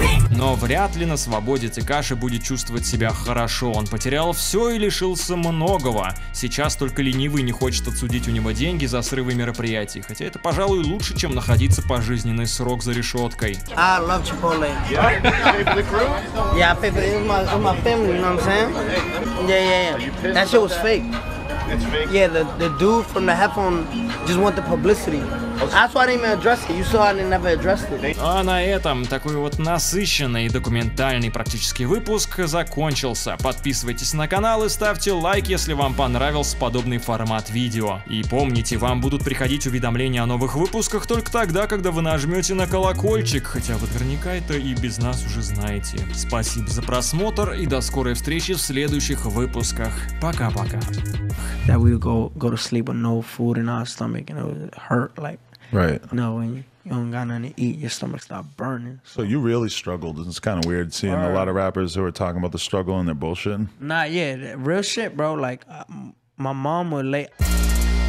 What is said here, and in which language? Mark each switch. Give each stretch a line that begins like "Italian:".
Russian: Но вряд ли на свободе Текаши будет чувствовать себя хорошо. Он потерял все и лишился многого. Сейчас только ленивый не хочет отсудить у него деньги за срывы мероприятий. Хотя это, пожалуй, лучше, чем находиться пожизненный срок за решеткой.
English: I love Chipotle. Yeah, people, it's my family, you know what I'm saying? Yeah. That shit was fake. It's fake? Yeah, the dude from the headphone just want the publicity. That's why I didn't even address it. You saw I never addressed it.
Russian: А на этом такой вот насыщенный документальный практический выпуск закончился. Подписывайтесь на канал и ставьте лайк, если вам понравился подобный формат видео. И помните, вам будут приходить уведомления о новых выпусках только тогда, когда вы нажмете на колокольчик. Хотя вы наверняка это и без нас уже знаете. Спасибо за просмотр и до скорой встречи в следующих выпусках. Пока-пока.
English: That we would go to sleep with no food in our stomach and it would hurt like right. No, when you don't got nothing to eat, your stomach stopped burning. So you really struggled, and it's kind of weird seeing a lot of rappers who are talking about the struggle and they're bullshitting. Nah, yeah, real shit, bro. Like my mom would lay.